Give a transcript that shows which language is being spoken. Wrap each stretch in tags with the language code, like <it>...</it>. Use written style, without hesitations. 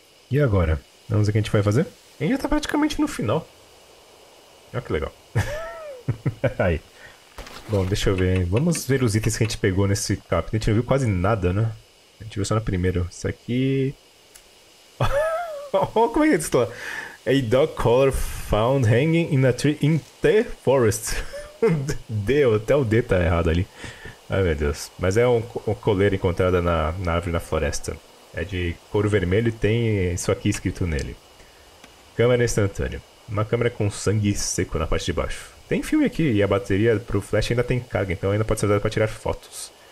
<pt>E agora? Vamos ver o que a gente vai fazer? A gente já tá praticamente no final. Olha que legal. Aí. Bom, deixa eu ver. Vamos ver os itens que a gente pegou nesse capítulo. A gente não viu quase nada, né? A gente viu só na primeira. Isso aqui... Olha como é que eu estou.</pt> <en>A dog collar found hanging in a tree in the forest.</en> <pt>Deu, até o D tá errado ali. Ai, meu Deus. Mas é um coleira encontrada na árvore na floresta. É de couro vermelho e tem isso aqui escrito nele. Câmera instantânea. Uma câmera com sangue seco na parte de baixo. Tem filme aqui e a bateria pro flash ainda tem carga, então ainda pode ser usada pra tirar fotos.</pt>